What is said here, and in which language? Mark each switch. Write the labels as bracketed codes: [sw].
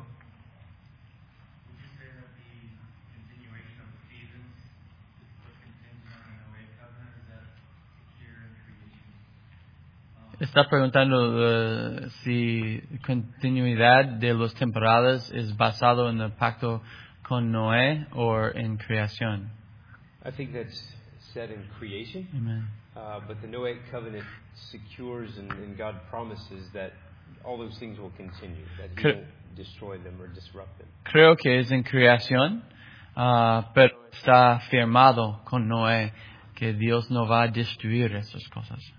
[en] Would you say that the continuation of the seasons was contingent on the Noahic covenant, or is that here in creation? [es] Está preguntando si continuidad de los temporadas es basado en el pacto con Noé o en creación. [en] I think that's said in creation. Amen. But the Noahic covenant secures and God promises that all those things will continue, that he won't destroy them or disrupt them. [es] Creo que es en creación, pero está firmado con Noé que Dios no va a destruir esas cosas.